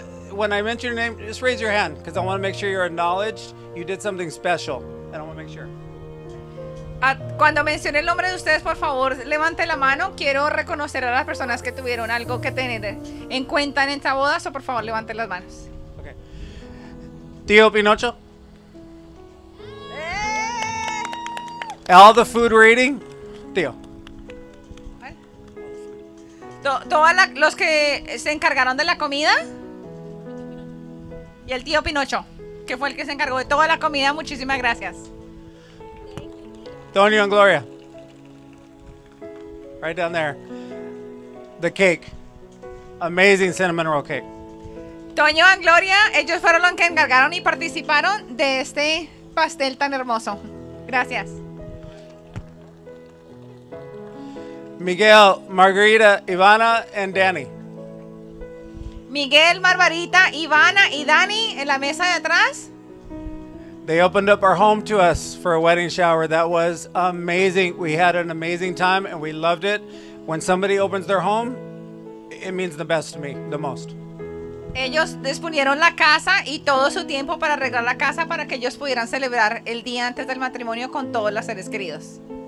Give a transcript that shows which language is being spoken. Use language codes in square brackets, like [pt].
[en] When I mention your name, just raise your hand, because I want to make sure you're acknowledged. You did something special. And I want to make sure. [es] Cuando mencioné el nombre de ustedes, por favor, levante la mano. Quiero reconocer a las personas que tuvieron algo que tener en cuenta en esta boda. So, por favor, levante las manos. [en] Okay. Tío Pinocho. All the food we're eating. Tío. [es] Todos los que se encargaron de la comida. Y el tío Pinocho. Que fue el que se encargó de toda la comida. Muchísimas gracias. [en] Tony and Gloria. Right down there. The cake. Amazing cinnamon roll cake. [es] Toño and Gloria, ellos fueron los que encargaron y participaron de este pastel tan hermoso. Gracias. [en] Miguel, Margarita, Ivana, and Danny. [es] Miguel, Margarita, Ivana, y Danny en la mesa de atrás. [en] They opened up our home to us for a wedding shower. That was amazing. We had an amazing time and we loved it. When somebody opens their home, it means the best to me, the most. [es] Ellos disponieron la casa y todo su tiempo para arreglar la casa para que ellos pudieran celebrar el día antes del matrimonio con todos los seres queridos.